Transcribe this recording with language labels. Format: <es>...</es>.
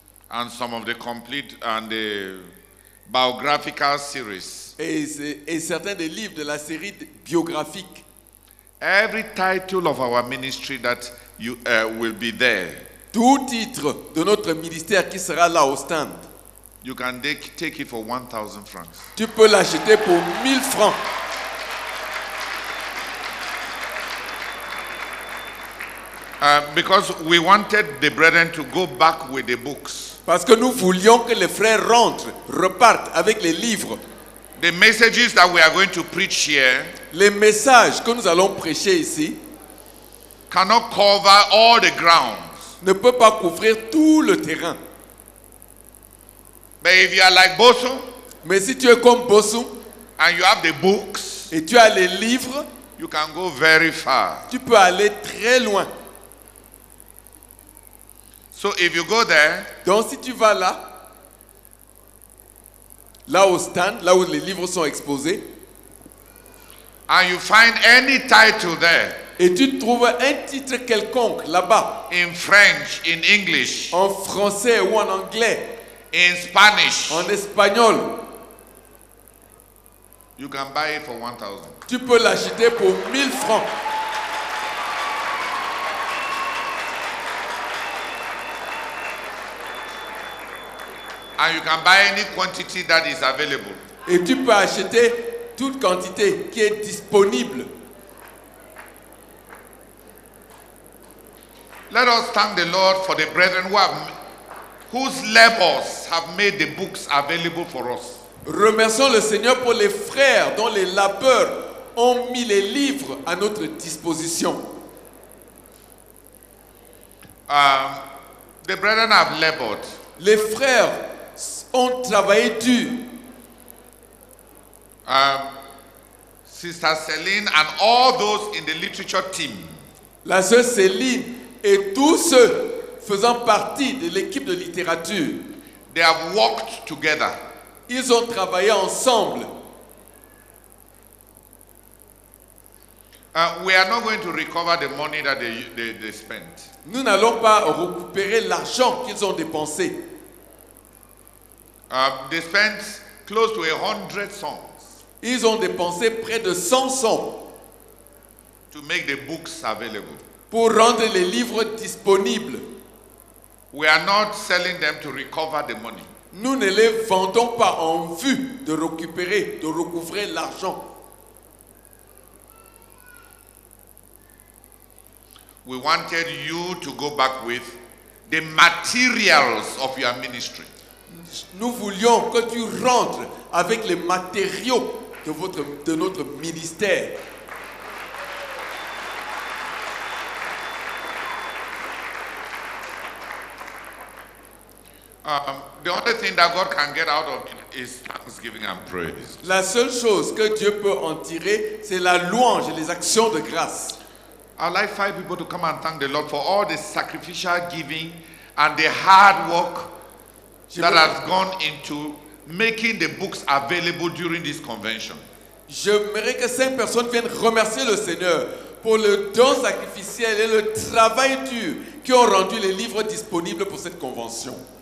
<en>and some of the complete and the biographical series,</en> <fr>et certains des livres de la série biographique.</fr> <en>Every title of our ministry that you will be there.</en> <fr>Tout titre de notre ministère qui sera là au stand.</fr> <en>You can take it for 1,000 francs.</en> <fr>Tu peux l'acheter pour 1,000 francs.</fr> <en>Because we wanted the brethren to go back with the books.</en> <fr>Parce que nous voulions que les frères rentrent, repartent avec les livres.</fr> <en>The messages that we are going to preach here,</en> <fr>les messages que nous allons prêcher ici,</fr> <en>cannot cover all the grounds,</en> <fr>ne peut pas couvrir tout le terrain.</fr> <en>But if you are like Bosu,</en> <fr>mais si tu es comme Bosu,</fr> <en>and you have the books,</en> <fr>et tu as les livres,</fr> <en>you can go very far,</en> <fr>tu peux aller très loin.</fr> <en>So if you go there,</en> <fr>donc si tu vas là, là au stand, là où les livres sont exposés,</fr> <en>and you find any title there,</en> <fr>et tu trouves un titre quelconque là-bas,</fr> <en>in French, in English,</en> <fr>en français ou en anglais,</fr> <en>in Spanish,</en> <fr>en espagnol,</fr> <en>You can buy it for 1,000.</en> <fr>Tu peux l'acheter pour 1000 francs.</fr> <en>And you can buy any quantity that is available.</en> <fr>Et tu peux acheter toute quantité qui est disponible.</fr> <en>Let us thank the Lord for the brethren who have, whose labors have made the books available for us.</en> <fr>Remercions le Seigneur pour les frères dont les labeurs ont mis les livres à notre disposition.</fr> <en>The brethren have labored.</en> <fr>Les frères ont travaillé dur.</fr> <en>Sister Céline and all those in the literature team.</en> <fr>La sœur Céline et tous ceux faisant partie de l'équipe de littérature.</fr> <en>They have worked together.</en> <fr>Ils ont travaillé ensemble.</fr> <en>We are not going to recover the money that they spent.</en> <fr>Nous n'allons pas récupérer l'argent qu'ils ont dépensé.</fr> <en>They spent close to 100 songs.</en> <fr>Ils ont dépensé près de 100 songs</fr> <en>to make the books available.</en> <fr>Pour rendre les livres disponibles.</fr> <en>We are not selling them to recover the money.</en> <fr>Nous ne les vendons pas en vue de récupérer, de recouvrer l'argent.</fr> <en>We wanted you to go back with the materials of your ministry.</en> <fr>Nous voulions que tu rentres avec les matériaux de votre, de notre ministère.</fr> <en>The only thing that God can get out of it is thanksgiving and praise.</en> <fr>La seule chose que Dieu peut en tirer, c'est la louange et les actions de grâce.</fr> <en>I'd like 5 people to come and thank the Lord for all the sacrificial giving and the hard work that has gone into making the books available during this convention.</en> <fr>J'aimerais que 5 personnes viennent remercier le Seigneur pour le don sacrificiel et le travail dur qui ont rendu les livres disponibles pour cette convention.</fr>